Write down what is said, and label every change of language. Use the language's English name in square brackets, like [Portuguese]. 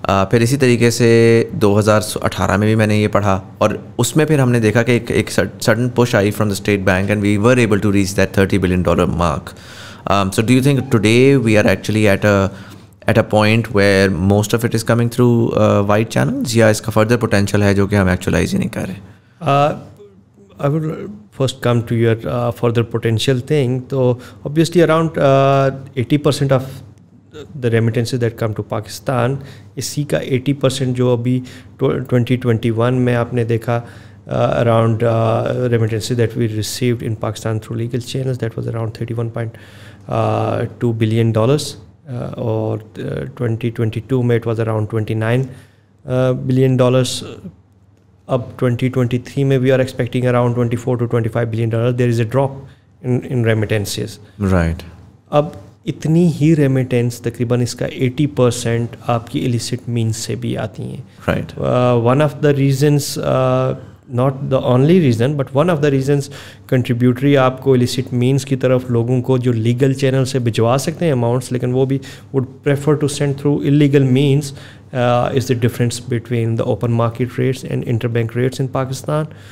[Urdu] پھر اسی طریقے سے 2018 میں بھی میں نے یہ پڑھا, اور اس میں پھر ہم نے دیکھا کہ ایک [English] Sudden push آئی from the State Bank and we were able to reach that 30 billion dollar mark. So do you think today we are actually at a point where most of it is coming through white channels, [Urdu] یا اس کا further potential ہے جو کہ ہم actualise ہی نہیں کر رہے؟ [English] I will first come to your further potential thing. تو obviously around 80% آف the remittances that come to Pakistan, [Urdu] اسی کا 80% جو ابھی 2021 میں آپ نے دیکھا [English] around remittances that we received in Pakistan through legal channels, that was around 31.2 billion dollars, [Urdu] اور 2022 میں [English] it was around 29 billion dollars. [Urdu] اب 2023 میں [English] we are expecting around 24-25 billion dollars. There is a drop in remittances, right. [Urdu] اب اتنی ہی remittance تقریباً اس کا 80% آپ کی الیسٹ مینس سے بھی آتی ہیں, [English] Right. One of the reasons, not the only reason but one of the reasons contributory [Urdu] آپ کو الیسٹ مینس کی طرف لوگوں کو جو لیگل چینل سے بھجوا سکتے ہیں [English] amounts, [Urdu] لیکن وہ بھی [English] Would prefer to send through illegal means, is the difference between the open market rates and interbank rates in Pakistan.